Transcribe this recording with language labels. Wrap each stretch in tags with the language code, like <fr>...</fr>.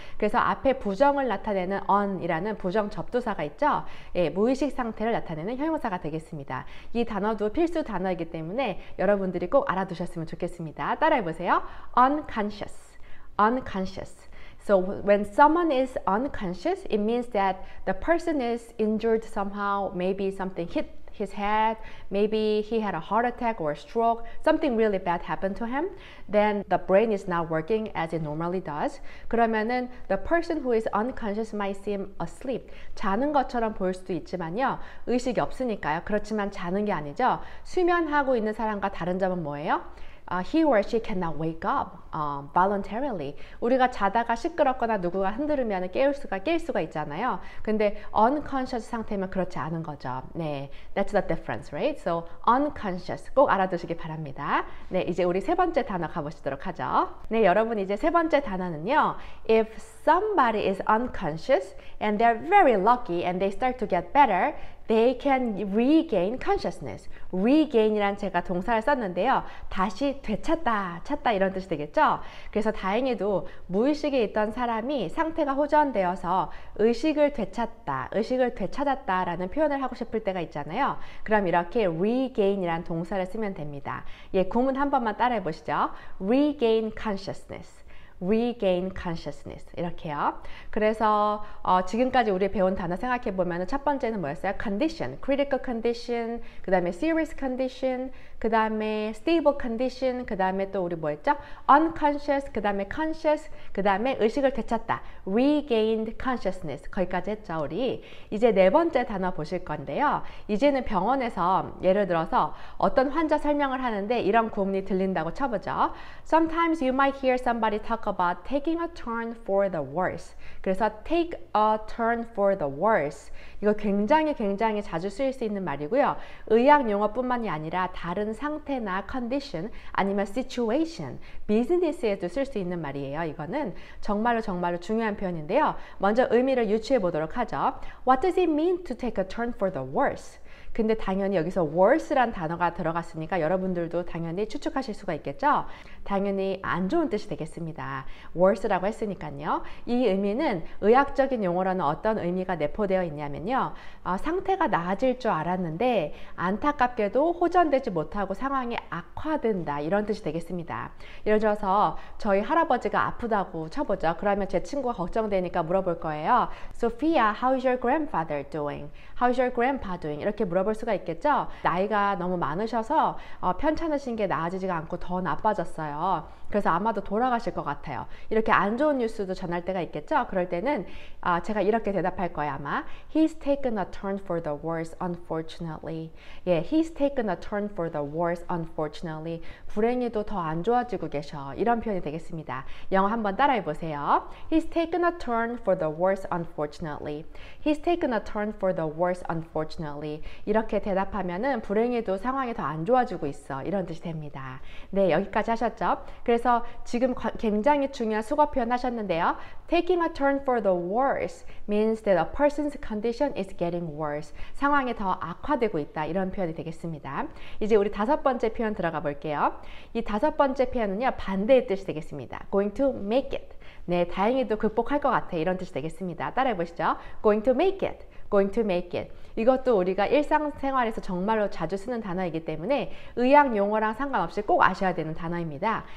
<ko>그래서 앞에 부정을 나타내는 un이라는 부정 접두사가 있죠. 예, 무의식 상태를 나타내는 형용사가 되겠습니다. 이 단어도 필수 단어이기 때문에 여러분들이 꼭 알아두셨으면 좋겠습니다. 따라해 보세요. unconscious. unconscious.</ko> <en>So when someone is unconscious, it means that the person is injured somehow, maybe something hit his head, maybe he had a heart attack or a stroke, something really bad happened to him, then the brain is not working as it normally does.</en> <ko>그러면은</ko> <en>the person who is unconscious might seem asleep.</en> <ko>자는 것처럼 보일 수도 있지만요. 의식이 없으니까요. 그렇지만 자는 게 아니죠. 수면하고 있는 사람과 다른 점은 뭐예요?</ko> <en>He or she cannot wake up voluntarily.</en> <ko>우리가 자다가 시끄럽거나 누구가 흔들으면 깰 수가 있잖아요. 근데 unconscious 상태면 그렇지 않은 거죠. 네,</ko> <en>that's the difference, right?</en> <ko>So unconscious 꼭 알아두시기 바랍니다. 네, 이제 우리 세 번째 단어 가보시도록 하죠. 네, 여러분 이제 세 번째 단어는요.</ko> <en>If somebody is unconscious and they're very lucky and they start to get better, they can regain consciousness.</en> <ko>regain이란 제가 동사를 썼는데요. 다시 되찾다, 찾다 이런 뜻이 되겠죠? 그래서 다행히도 무의식에 있던 사람이 상태가 호전되어서 의식을 되찾았다라는 표현을 하고 싶을 때가 있잖아요. 그럼 이렇게 regain이란 동사를 쓰면 됩니다. 예, 구문 한 번만 따라해 보시죠.</ko> <en>regain consciousness. regain consciousness</en> <ko>이렇게요. 그래서 지금까지 우리 배운 단어 생각해 보면 첫 번째는 뭐였어요? condition, critical condition, 그 다음에 serious condition, 그 다음에 stable condition, 그 다음에 또 우리 뭐였죠? unconscious, 그 다음에 conscious, 그 다음에 의식을 되찾다. regained consciousness. 거기까지 했죠, 우리. 이제 네 번째 단어 보실 건데요. 이제는 병원에서 예를 들어서 어떤 환자 설명을 하는데 이런 구문이 들린다고 쳐보죠.</ko> <en>Sometimes you might hear somebody talk about taking a turn for the worse.</en> <ko>그래서</ko> <en>take a turn for the worse.</en> <ko>이거 굉장히 자주 쓰일 수 있는 말이고요. 의학 용어뿐만이 아니라 다른 상태나 condition 아니면 situation, 비즈니스에도 쓸 수 있는 말이에요. 이거는 정말로 중요한 표현인데요. 먼저 의미를 유추해 보도록 하죠.</ko> <en>What does it mean to take a turn for the worse?</en> <ko>근데 당연히 여기서 worse란 단어가 들어갔으니까 여러분들도 당연히 추측하실 수가 있겠죠? 당연히 안 좋은 뜻이 되겠습니다. worse라고 했으니까요. 이 의미는 의학적인 용어라는 어떤 의미가 내포되어 있냐면요. 상태가 나아질 줄 알았는데 안타깝게도 호전되지 못하고 상황이 악화된다. 이런 뜻이 되겠습니다. 예를 들어서 저희 할아버지가 아프다고 쳐보죠. 그러면 제 친구가 걱정되니까 물어볼 거예요.</ko> <en>Sophia, how is your grandfather doing? How is your grandpa doing?</en> <ko>이렇게 물어볼 수가 있겠죠. 나이가 너무 많으셔서 편찮으신 게 나아지지가 않고 더 나빠졌어요. 그래서 아마도 돌아가실 것 같아요. 이렇게 안 좋은 뉴스도 전할 때가 있겠죠. 그럴 때는 제가 이렇게 대답할 거예요. 아마</ko> <en>He's taken a turn for the worse, unfortunately.</en> <ko>예,</ko> <en>He's taken a turn for the worse, unfortunately.</en> <ko>불행히도 더 안 좋아지고 계셔. 이런 표현이 되겠습니다. 영어 한번 따라해 보세요.</ko> <en>He's taken a turn for the worse, unfortunately. He's taken a turn for the worse, unfortunately.</en> <ko>이렇게 대답하면은 불행히도 상황이 더 안 좋아지고 있어. 이런 뜻이 됩니다. 네, 여기까지 하셨죠? 그래서 지금 굉장히 중요한 수거 표현 하셨는데요.</ko> <en>Taking a turn for the worse means that a person's condition is getting worse.</en> <ko>상황이 더 악화되고 있다. 이런 표현이 되겠습니다. 이제 우리 다섯 번째 표현 들어가 볼게요. 이 다섯 번째 표현은요, 반대의 뜻이 되겠습니다.</ko> <en>Going to make it.</en> <ko>네, 다행히도 극복할 것 같아. 이런 뜻이 되겠습니다. 따라해 보시죠.</ko> <en>Going to make it. Going to make it.</en> <ko>이것도 우리가 일상생활에서 정말로 자주 쓰는 단어이기 때문에 의학 용어랑 상관없이 꼭 아셔야 되는 단어입니다.</ko>